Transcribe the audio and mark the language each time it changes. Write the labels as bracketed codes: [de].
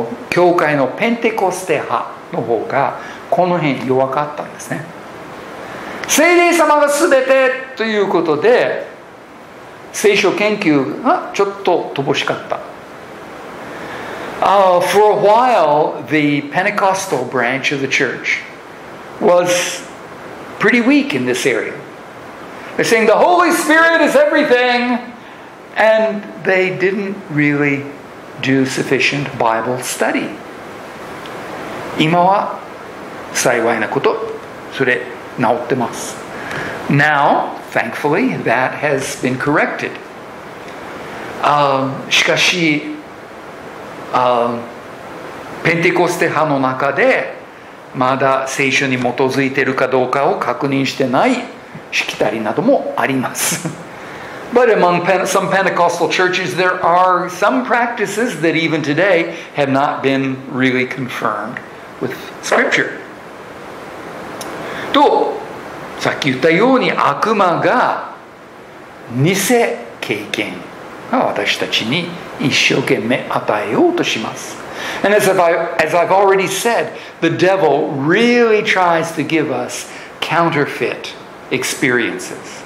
[ja] 教会のペンテコステ派の方がこの辺弱かったんですね。聖霊様が全てということで聖書研究がちょっと乏しかった。 [en] For a while, the Pentecostal branch of the church was pretty weak in this area. They're saying the Holy Spirit is everything, and they didn't really do sufficient Bible study. [ja] 今は幸いなこと、それ治ってます。 [en] Now,Thankfully, that has been corrected. [ja] しかし、ペンテコステ派の中でまだ聖書に基づいているかどうかを確認してないしきたりなどもあります。 [en] But among some Pentecostal churches, there are some practices that even today have not been really confirmed with Scripture. [ja] とさっき言ったように悪魔が偽経験が私たちに一生懸命与えようとします。 [en] And as I've already said, the devil really tries to give us counterfeit experiences.